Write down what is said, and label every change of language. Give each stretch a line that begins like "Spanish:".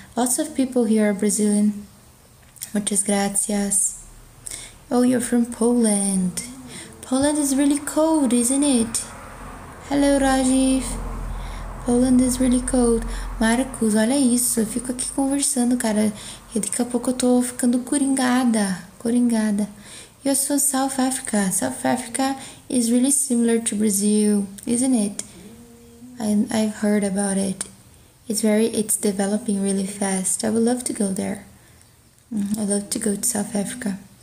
English: Lots of people here are Brazilian.
Spanish: Muchas gracias.
English: Oh, you're from Poland. Poland is really cold, isn't it? Hello, Rajiv. Poland is really cold.
Portuguese: Marcos, olha isso. Eu fico aqui conversando, cara. E daqui a pouco eu tô ficando coringada. Coringada.
English: You're from South Africa. South Africa is really similar to Brazil, isn't it? I've heard about it. It's developing really fast. I would love to go there. I'd love to go to South Africa.